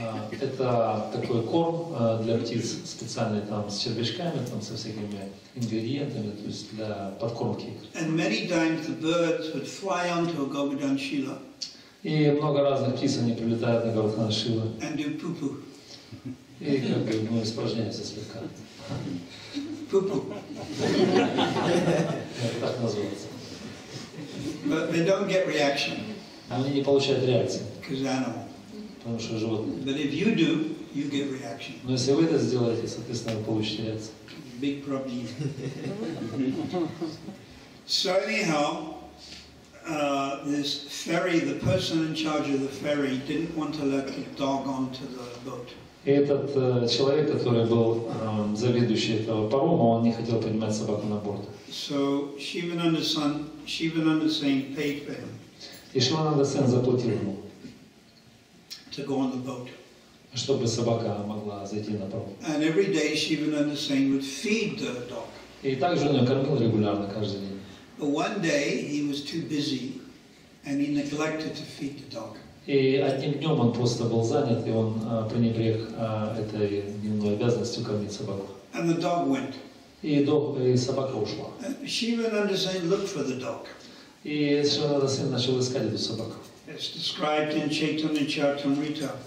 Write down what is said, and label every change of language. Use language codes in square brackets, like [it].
[ru] Это такой корм для птиц специальный там с червячками, там со всякими ингредиентами, то есть для подкормки. [en] And many times the birds would fly onto a Govardhan Shila. [ru] И много разных птиц они прилетают на Говардхан Шила. [en] And do poo-poo. [ru] И как бы мы испражняемся слегка. [en] Poo-poo. [ru] Так называется. [en] But they don't get reaction. [ru] Они не получают реакции. [en] Because animal. [ru] Потому что животные. [en] But if you do, you get reaction. [ru] Но если вы это сделаете, соответственно, вы получите реакцию. [en] Big problem. So anyhow, this ferry, the person in charge of the ferry, didn't want to let the dog onto the boat. [ru] Этот человек, который был заведующий этого парома, он не хотел поднимать собаку на борт. [en] So Shivananda Sen paid for him. [ru] И Шивананда Сен заплатил ему. [en] To go on the boat. [ru] Чтобы собака могла зайти на паром. [en] And every day Shivananda Sen would feed the dog. [ru] И также он его кормил регулярно каждый день. [en] But one day he was too busy, and he neglected to feed the dog. [ru] И одним днем он просто был занят, и он пренебрег этой дневной обязанностью кормить собаку. [en] And the dog went. [ru] И собака ушла. [en] Shivananda Sen looked for the dog. [ru] И Шивананда Сен начал искать эту собаку. [en] It's described in Chaitanya Charitamrita.